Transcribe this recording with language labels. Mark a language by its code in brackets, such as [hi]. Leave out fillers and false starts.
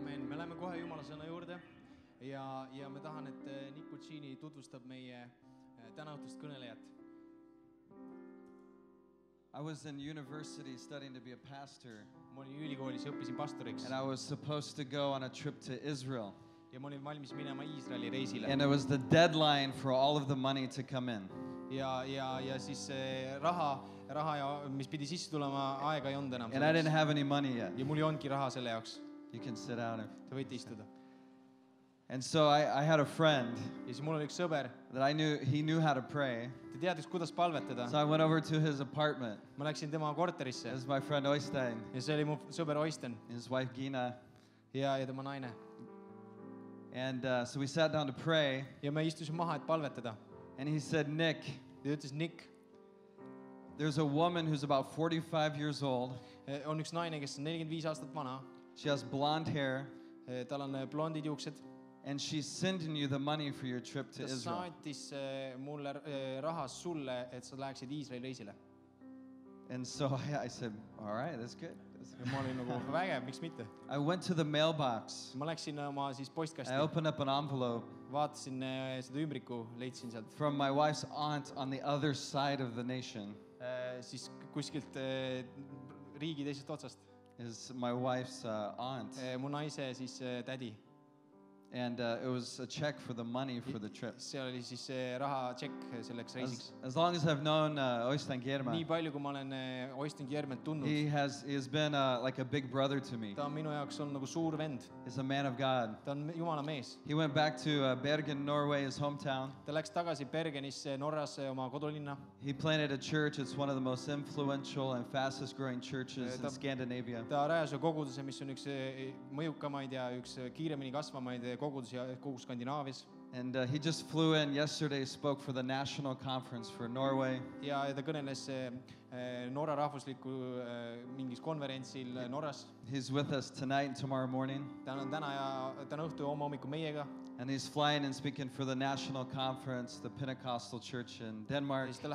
[et] ja me tahan, et Nikutsiini tutvustab meie tänaõhtust kõnelejat. [en] I was in university studying to be a pastor. [et] Ma olin ülikoolis ja õppisin pastoriks. [en] And I was supposed to go on a trip to Israel. [et] Ja ma olin valmis minema Iisraeli reisile. [en] And it was the deadline for all of the money to come in. [et] Ja siis raha ja mis pidi sisse tulema, aega ei olnud enam. [en] And I didn't have any money yet. [et] Ja mul ei olnudki raha selle jaoks. [en] You can sit down. [et] Te võite istuda. [en] And so I had a friend. [et] Ja siis mul oli üks sõber. [en] That I knew, he knew how to pray. [et] Ta teadis, kuidas palvetada. [en] So I went over to his apartment. [et] Ma läksin tema korterisse. [en] This is my friend Oystein. [et] Ja see oli mu sõber Oystein. [en] And his wife Gina. [et] Ja tema naine. [en] And so we sat down to pray. [et] Ja me istusin maha, et palvetada. [en] And he said, Nick. [et] Ja ütles, Nick. [en] There's a woman who's about 45 years old. [et] On üks naine, kes on 45 aastat vana. [en] She has blonde hair. [et] Tal on blondid juuksed. [en] And she's sending you the money for your trip to Israel. [et] Ta saatis mulle raha sulle, et sa läheksid Iisraeli reisile. [en] And so I said, all right, that's good. [et] Ma olin nagu vägev, miks mitte? [en] I went to the mailbox. [et] Ma läksin oma siis postkasti. [en] I opened up an envelope. [et] Vaatasin seda ümbriku, leidsin sealt. [en] From my wife's aunt on the other side of the nation. [et] Siis kuskilt riigi teisest otsast. [en] Is my wife's aunt. [et] Mu naise siis tädi. [en] And it was a check for the money for the trip. [et] See oli siis raha check selleks reisiks. [en] As long as I've known Oystein Germa. [et] Nii palju kui ma olen Oystein Germa tunnud. [en] He has been like a big brother to me. [et] Ta on minu jaoks on nagu suur vend. [en] He's a man of God. [et] Ta on Jumala mees. [en] He went back to Bergen, Norway, his hometown. [et] Ta läks tagasi Bergenisse, Norrasse, oma kodulinna. [en] He planted a church. It's one of the most influential and fastest growing churches in Scandinavia. [et] Ta rajas koguduse, mis on üks mõjukamaid ja üks kiiremini kasvamaid. [en] And he just flew in yesterday, spoke for the national conference for Norway. He's with us tonight and tomorrow morning. And he's flying and speaking for the national conference, the Pentecostal Church in Denmark.